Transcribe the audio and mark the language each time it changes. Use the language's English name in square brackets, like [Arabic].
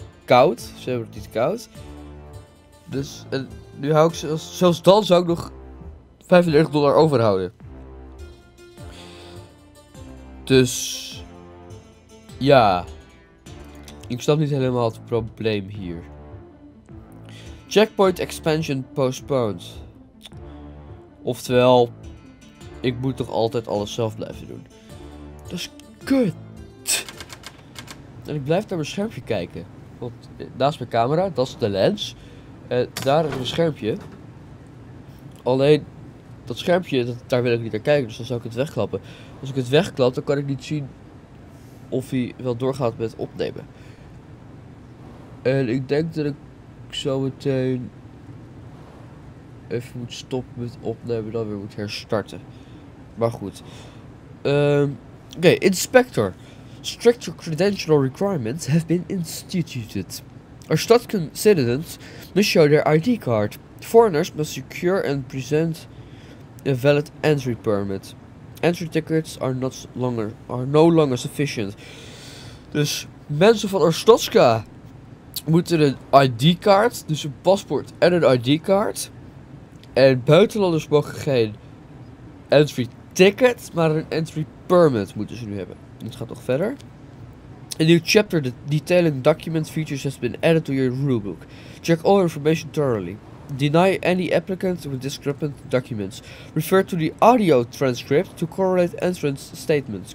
[Dutch] koud, ze hebben het niet koud. Dus, en nu hou ik zelfs dan zou ik nog $35 overhouden. Dus, ja. Ik snap niet helemaal het probleem hier. [English] Checkpoint expansion postponed. [Dutch] Oftewel, ik moet toch altijd alles zelf blijven doen. Dat is kut. En ik blijf naar mijn schermpje kijken. Want naast mijn camera, dat is de lens. En daar is een schermpje. Alleen, dat schermpje, daar wil ik niet naar kijken, dus dan zou ik het wegklappen. Als ik het wegklap, dan kan ik niet zien of hij wel doorgaat met opnemen. En ik denk dat ik zo meteen even moet stoppen met opnemen, dan weer moet herstarten. Maar goed. Oké, inspector. [English] Stricter credential requirements have been instituted. Our Stockton citizens must show their ID card. Foreigners must secure and present a valid entry permit. Entry tickets are no longer sufficient. [Dutch] Dus mensen van Ostoska moeten een ID-kaart, dus een paspoort en een ID-kaart. En buitenlanders mogen geen entry ticket, maar een entry permit moeten ze nu hebben. Het gaat nog verder. [English] A new chapter, the detailing document features, has been added to your rulebook. Check all information thoroughly. Deny any applicant with discrepant documents. Refer to the audio transcript to correlate entrance statements.